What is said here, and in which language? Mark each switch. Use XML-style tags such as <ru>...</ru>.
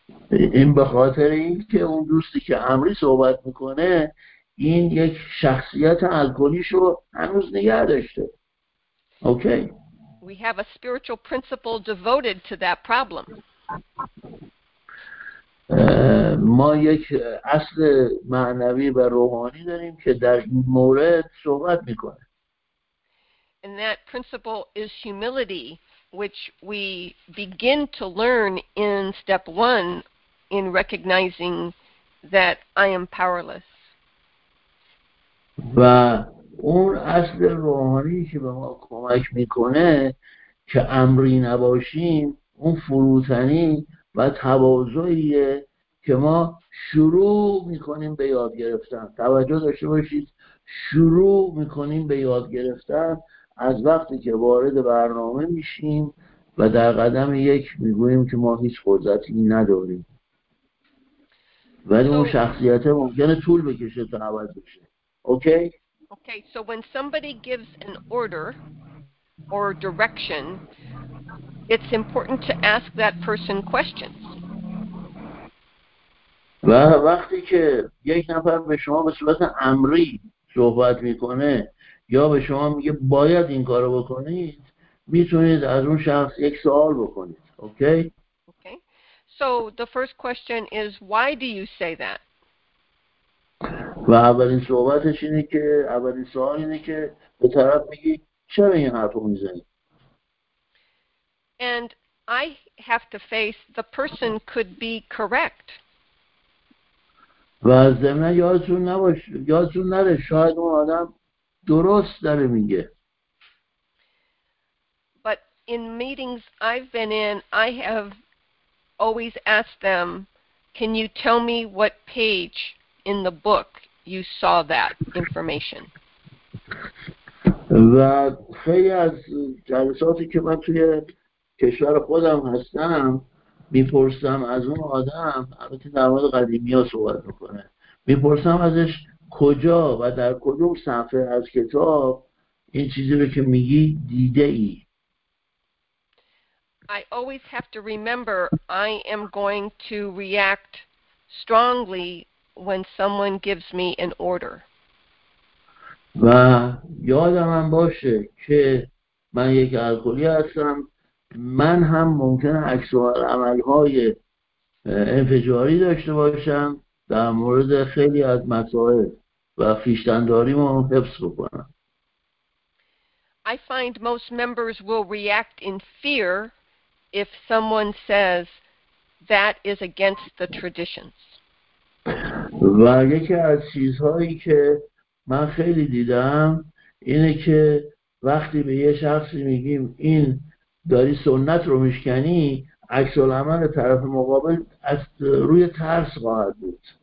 <fa>این به خاطر این که اون دوستی که امری صحبت میکنه این یک شخصیت الکلیشو هنوز نگه داشته. اوکی.</fa> <en>We have a spiritual principle devoted to that problem.</en> <fa>ما یک اصل معنوی و روحانی داریم که در این مورد صحبت میکنه.</fa> <en>And that principle is humility, which we begin to learn in step one in recognizing that I am powerless.</en> <fa>و اون اصل روحانی که به ما کمک میکنه که امری نباشیم، اون فروتنی و تواضعیه که ما شروع میکنیم به یاد گرفتن. توجه داشته باشید، شروع میکنیم به یاد گرفتن از وقتی که وارد برنامه میشیم و در قدم یک میگوییم که ما هیچ قدرتی نداریم. ولی اون شخصیت ممکنه طول بکشه تا عوض بشه. Okay.</fa> <en>Okay, so when somebody gives an order or direction, it's important to ask that person questions.</en> <fa>وقتی که یک نفر به شما به صورت امری صحبت میکنه یا به شما میگه باید این کارو بکنید، میتونید از اون شخص یک سوال بکنید. اوکی؟ اوکی.</fa> <en>So the first question is why do you say that?</en> <fa>و اولین صحبتش اینه که اولین سوال اینه که به طرف میگی چرا این حرفو میزنی؟</fa> <en>And I have to face the person could be correct.</en> <fa>و از ضمن یادتون نباشه، یادتون نره شاید اون آدم درست داره میگه.</fa> <en>But in meetings I've been in, I have always asked them, can you tell me what page in the book you saw that information?</en> <fa>و خیلی از جلساتی که من توی کشور خودم هستم میپرسم از اون آدم، البته در مورد قدیمی ها صحبت میکنه، میپرسم ازش کجا و در کدوم صفحه از کتاب این چیزی رو که میگی دیده ای.</fa> <en>I always have to remember I am going to react strongly when someone gives me an order.</en> <fa>و یادم هم باشه که من یک الکلی هستم، من هم ممکن عکس عمل های انفجاری داشته باشم در مورد خیلی از مسائل و خویشتنداری ما حفظ بکنم.</fa> <en>I find most members will react in fear if someone says that is against the traditions.</en> <fa>و یکی از چیزهایی که من خیلی دیدم اینه که وقتی به یه شخصی میگیم این داری سنت رو میشکنی، عکس العمل طرف مقابل از روی ترس خواهد بود.</fa>